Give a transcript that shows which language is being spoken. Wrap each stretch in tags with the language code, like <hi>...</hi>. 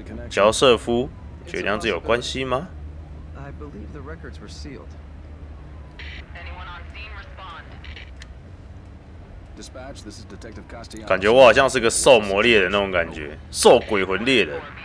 <zh>乔瑟夫，这两者有关系吗？</zh> <en>I believe the records were sealed. Anyone on scene respond? Dispatch, this is Detective Castellanos.</en> <zh>感觉我好像是个兽魔猎人那种感觉，兽鬼魂猎人。</zh>